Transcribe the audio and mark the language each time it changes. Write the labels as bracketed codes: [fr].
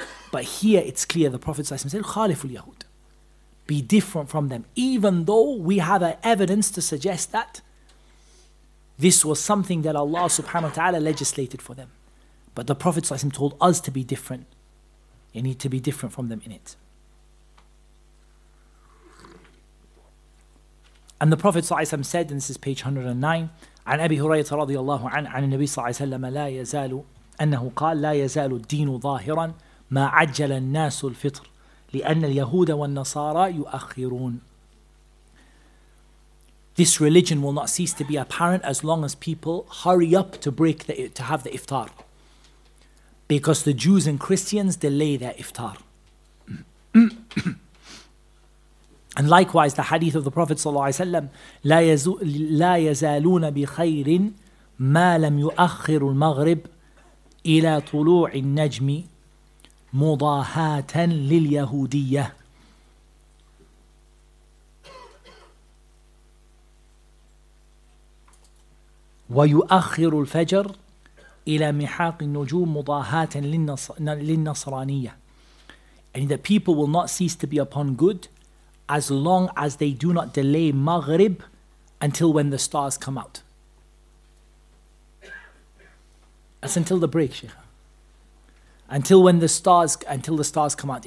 [en] But here it's clear the Prophet said, [ar] khaliful yahud, [en] be different from them, even though we have evidence to suggest that this was something that Allah subhanahu wa ta'ala legislated for them. But the Prophet told us to be different, you need to be different from them in it. And the Prophet ﷺ said, and this is page 109, [ar] عن أبي هريرة رضي الله عنه عن النبي صلى الله عليه وسلم لا يزال أنه قال لا يزال الدين ظاهرا ما عجل الناس الفطر لأن اليهود والنصارى يؤخرون. [en] This religion will not cease to be apparent as long as people hurry up to break to have the iftar, because the Jews and Christians delay their iftar. And likewise, the hadith of the Prophet ﷺ, [ar] لا يزالون بخير ما لم يؤخر المغرب إلى طلوع النجم مضاهاة لليهودية. ويؤخر الفجر إلى محاق النجوم مضاهاة للنصرانية. [en] And the people will not cease to be upon good as long as they do not delay Maghrib until when the stars come out. That's until the break, Sheikha. Until the stars come out.